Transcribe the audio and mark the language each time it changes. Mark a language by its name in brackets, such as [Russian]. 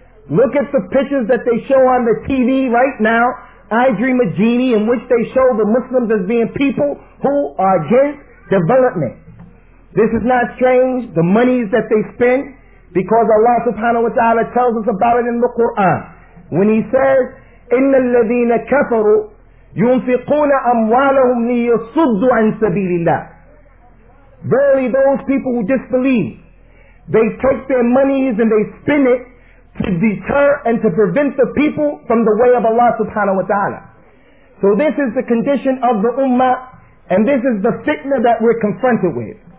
[English] Look at the pictures that they show on the TV right now, I Dream a Genie, in which they show the Muslims as being people who are against development. This is not strange, the monies that they spend, because Allah subhanahu wa ta'ala tells us about it in the Quran. When he says, [Arabic] إِنَّ الَّذِينَ كَفَرُوا يُنْفِقُونَ أَمْوَالَهُمْ لِيَصُدُّ عَنْ سَبِيلِ اللَّهِ. [English] Verily those people who disbelieve, they take their monies and they spend it to deter and to prevent the people from the way of Allah subhanahu wa ta'ala. So this is the condition of the ummah, and this is the fitna that we're confronted with.